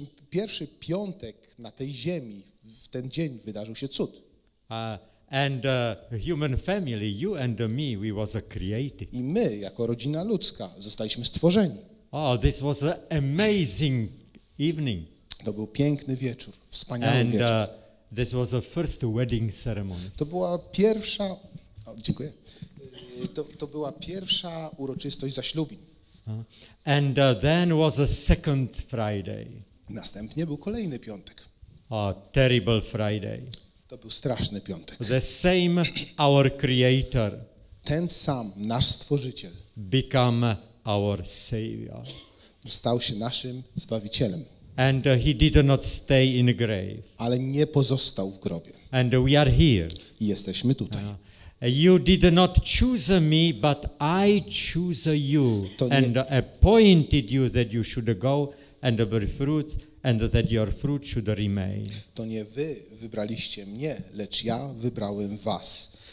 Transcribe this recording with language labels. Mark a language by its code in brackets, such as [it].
[pl] Pierwszy piątek na tej ziemi, w ten dzień wydarzył się cud. [en] And human family, you and me, we was created. [pl] I my jako rodzina ludzka zostaliśmy stworzeni. [en] Oh, this was an amazing evening. [pl] To był piękny wieczór, wspaniały [en] and, [pl] wieczór. [en] This was the first wedding ceremony. [pl] To była pierwsza, dziękuję. To była pierwsza uroczystość zaślubin. [en] And then was a second Friday. [pl] Następnie był kolejny piątek. [en] Oh, terrible Friday. [pl] To był straszny piątek. [en] The same our Creator. [pl] Ten sam nasz Stworzyciel. [en] Become our Savior. [pl] Stał się naszym Zbawicielem. [en] And he did not stay in the grave. [pl] Ale nie pozostał w grobie. [en] And we are here. [pl] I jesteśmy tutaj. [en] You did not choose me, but I choose you. [pl] To nie... [en] And appointed you that you should go and bear fruit, and that your fruit should remain. [pl] To nie wy wybraliście mnie, lecz ja wybrałem was.